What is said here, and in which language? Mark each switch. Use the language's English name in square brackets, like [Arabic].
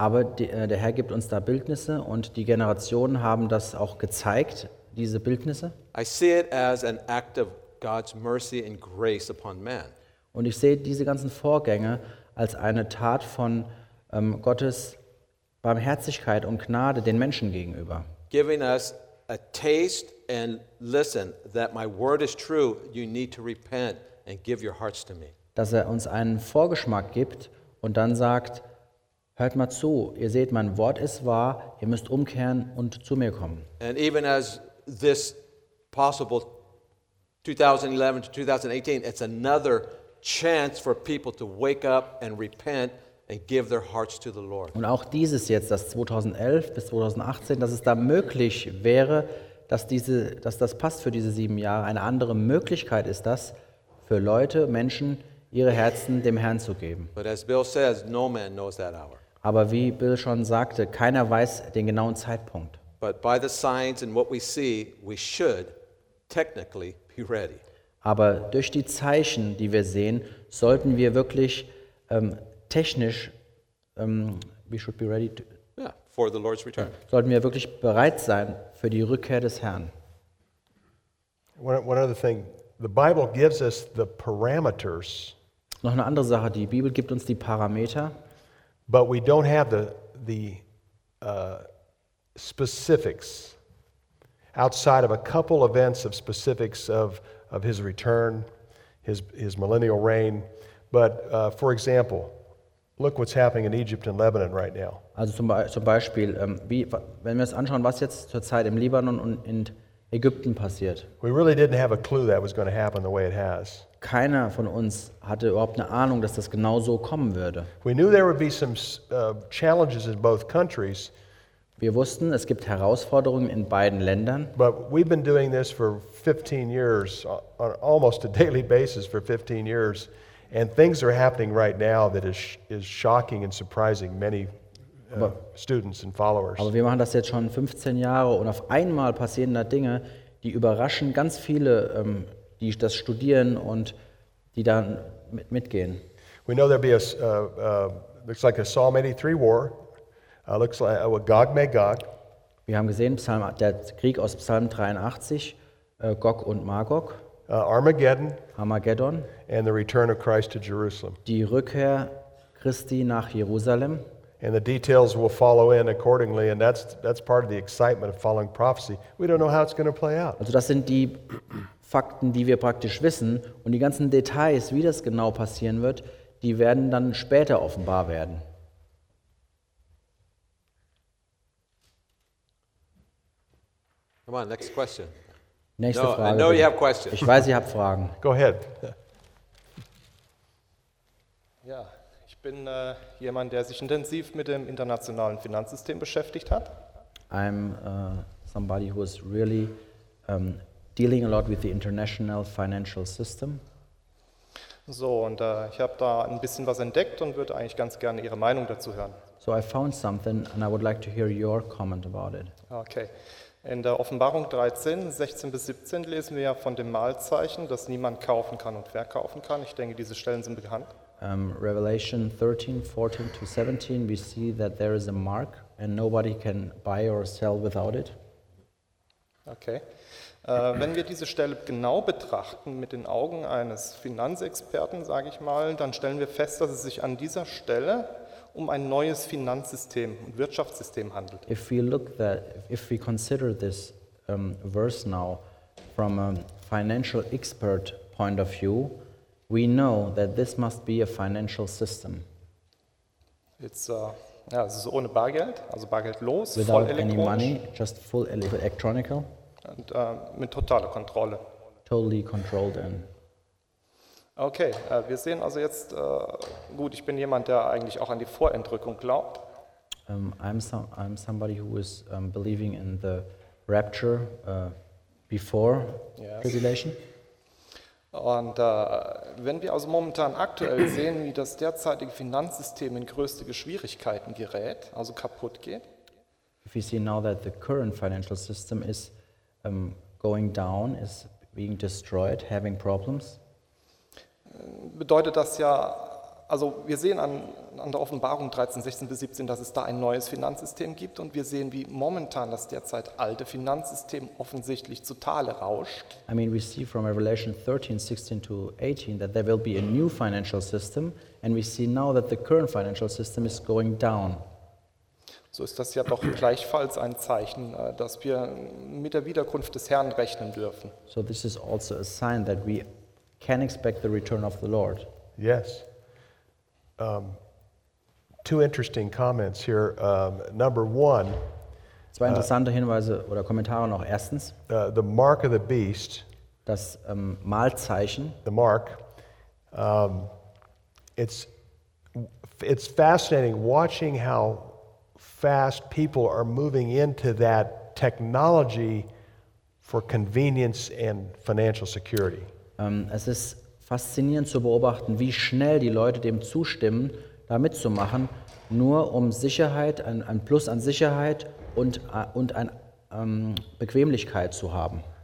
[German] Aber der Herr gibt uns da Bildnisse und die Generationen haben das auch gezeigt, diese Bildnisse. [English] I see it as an act of God's mercy and grace upon man. [German] Und ich sehe diese ganzen Vorgänge als eine Tat von Gottes Barmherzigkeit und Gnade den Menschen gegenüber. [English] Giving us a taste and listen that my word is true, you need to repent and give your hearts to me. [German] Dass er uns einen Vorgeschmack gibt und dann sagt, hört mal zu, ihr seht, mein Wort ist wahr, ihr müsst umkehren und zu mir kommen. [English] And even as this possible 2011 to 2018, it's another chance for people to wake up and repent and give their hearts to the Lord. [German] Und auch dieses jetzt, das 2011 bis 2018, dass es da möglich wäre, dass das passt für diese sieben Jahre. Eine andere Möglichkeit ist das, für Leute, Menschen, ihre Herzen dem Herrn zu geben. [English] But as Bill says, no man knows that hour. [German] Aber wie Bill schon sagte, keiner weiß den genauen Zeitpunkt. [English] But by the signs and what we see, we should technically be ready. [German] Aber durch die Zeichen, die wir sehen, sollten wir wirklich technisch, [English] we should be ready to, yeah, for the Lord's return. [German] Sollten wir wirklich bereit sein für die Rückkehr des Herrn. [English] One other thing, the Bible gives us the parameters. [German] Noch eine andere Sache, die Bibel gibt uns die Parameter. [English] But we don't have the specifics outside of a couple events of specifics of his return, his millennial reign. But for example, Look what's happening in Egypt and Lebanon right now. [German] Also zum Beispiel, wenn wir uns anschauen, was jetzt zurzeit im Libanon und in Ägypten passiert. [English] We really didn't have a clue that was going to happen the way it has. [German] Keiner von uns hatte überhaupt eine Ahnung, dass das genau so kommen würde. [English] We knew there would be some challenges in both countries. [German] Wir wussten, es gibt Herausforderungen in beiden Ländern. [English] But we've been doing this for 15 years, on almost a daily basis for 15 years. And things are happening right now that is shocking and surprising many students and followers. [German] Aber wir machen das jetzt schon 15 Jahre und auf einmal passieren da Dinge, die überraschen ganz viele, die das studieren und die dann mitgehen. [English] We know there'll be looks like a Psalm 83 war. Looks like a Gog Magog. [German] Wir haben gesehen, der Krieg aus Psalm 83, Gog und Magog. [English] Armageddon and the return of Christ to Jerusalem. [German] Die Rückkehr Christi nach Jerusalem. [English] And the details will follow in accordingly, and that's part of the excitement of following prophecy. We don't know how it's going to play out. [German] Also das sind die Fakten, die wir praktisch wissen, und die ganzen Details, wie das genau passieren wird, die werden dann später offenbar werden. [English] Come on, next question. [German] Nächste [English] no, [German] Frage. [English] I know you have questions. [German] Ich weiß, ihr habt Fragen. [English] Go ahead. [German] Ja, ich bin jemand, der sich intensiv mit dem internationalen Finanzsystem beschäftigt hat. [English] I'm somebody who is really dealing a lot with the international financial system. [German] So, und ich habe da ein bisschen was entdeckt und würde eigentlich ganz gerne Ihre Meinung dazu hören. [English] So I found something and I would like to hear your comment about it. Okay. [German] In der Offenbarung 13, 16 bis 17 lesen wir ja von dem Mahlzeichen, das niemand kaufen kann und verkaufen kann. Ich denke, diese Stellen sind bekannt. [English] Revelation 13, 14 to 17, we see that there is a mark and nobody can buy or sell without it. Okay. [German] Wenn wir diese Stelle genau betrachten mit den Augen eines Finanzexperten, sage ich mal, dann stellen wir fest, dass es sich an dieser Stelle um ein neues Finanzsystem und Wirtschaftssystem handelt. [English] If we look that, if we consider this verse now from a financial expert point of view, we know that this must be a financial system. [German] It's ja, es ist ohne Bargeld, also bargeldlos, [English] without [German] voll elektronisch. [English] Without any money, just full electronical. [German] Und mit totaler Kontrolle. [English] Totally controlled and. [German] Okay, wir sehen also jetzt, gut, ich bin jemand, der eigentlich auch an die Vorentrückung glaubt. [English] I'm somebody who is believing in the rapture before yes. Tribulation. [German] Und wenn wir also momentan aktuell sehen, wie das derzeitige Finanzsystem in größte Schwierigkeiten gerät, also kaputt geht. [English] If we see now that the current financial system is going down, is being destroyed, having problems. [German] Bedeutet das ja, also wir sehen an der Offenbarung 13, 16 bis 17, dass es da ein neues Finanzsystem gibt und wir sehen, wie momentan das derzeit alte Finanzsystem offensichtlich zu Tale rauscht. [English] I mean, we see from Revelation 13, 16 to 18 that there will be a new financial system and we see now that the current financial system is going down. [German] So ist das ja doch gleichfalls ein Zeichen, dass wir mit der Wiederkunft des Herrn rechnen dürfen. [English] So this is also a sign that we can expect the return of the Lord. Yes. Two interesting comments here. Number one. [German] Zwei interessante Hinweise oder Kommentare noch. Erstens. [English] The mark of the beast. [German] Das Malzeichen. [English] The mark. It's fascinating watching how fast people are moving into that technology for convenience and financial security. [German] Es ist faszinierend zu beobachten, wie schnell die Leute dem zustimmen, da mitzumachen, nur um Sicherheit, ein Plus an Sicherheit und eine Bequemlichkeit zu haben.